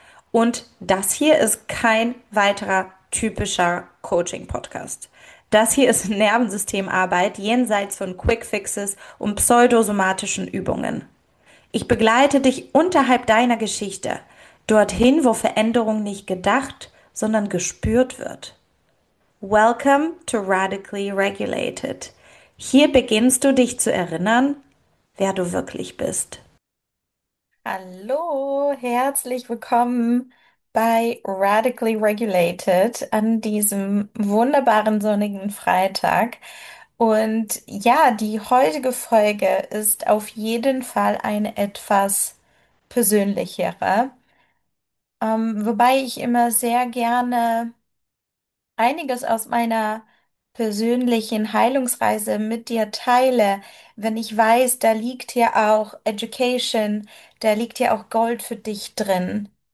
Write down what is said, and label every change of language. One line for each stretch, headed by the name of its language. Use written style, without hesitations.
German: Und das hier ist kein weiterer typischer Coaching-Podcast. Das hier ist Nervensystemarbeit jenseits von Quickfixes und pseudosomatischen Übungen. Ich begleite dich unterhalb deiner Geschichte, dorthin, wo Veränderung nicht gedacht, sondern gespürt wird.
English: Welcome to Radically Regulated.
German: Hier beginnst du dich zu erinnern, wer du wirklich bist. Hallo, herzlich willkommen bei Radically Regulated an diesem wunderbaren sonnigen Freitag. Und ja, die heutige Folge ist auf jeden Fall eine etwas persönlichere, wobei ich immer sehr gerne einiges aus meiner persönlichen Heilungsreise mit dir teile, wenn ich weiß, da liegt ja auch Education, da liegt ja auch Gold für dich drin.